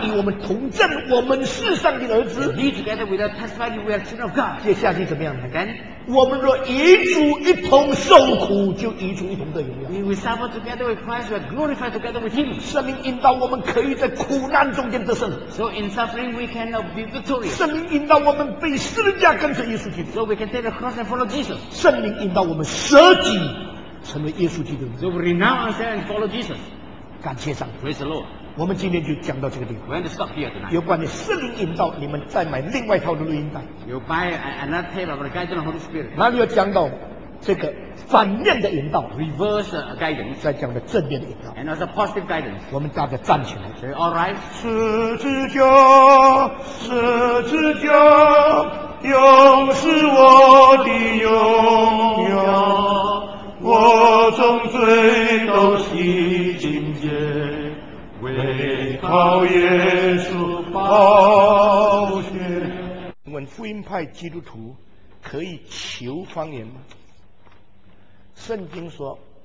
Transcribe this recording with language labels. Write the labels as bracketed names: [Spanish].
[Chinese] 圣灵与我们同证我们是上帝的儿子 [English] he together with us testify we are children of God [Chinese] 接下去怎么样 [English] again [Chinese] 我们若与主一同受苦就与主一同得荣耀 [English] we will suffer together with Christ we are glorified together with him [Chinese] 圣灵引导我们可以在苦难中间得胜 [English] so in suffering we can be victorious [Chinese] 圣灵引导我们被十字架跟随耶稣基督 [English] so we can take the cross and follow Jesus [Chinese] 圣灵引导我们舍己成为耶稣基督 [English] so we renounce ourselves and follow Jesus [Chinese] 感谢上帝 [English] praise the Lord [Chinese] 我们今天就讲到这个地方 [English] we're going to stop here tonight [Chinese] 有关于圣灵引导你们再买另外一套的录音带 [English] you buy another tape of the guidance of the Holy Spirit [Chinese] 那里有讲到这个反面的引导 [English] reverse guidance [Chinese] 再讲的正面的引导 [English] and also positive guidance [Chinese] 我们大家站起来 [English] so all right [Chinese] 十字架十字架永是我的荣耀我从罪都洗净洁为靠耶稣宝血问福音派基督徒可以求方言吗圣经说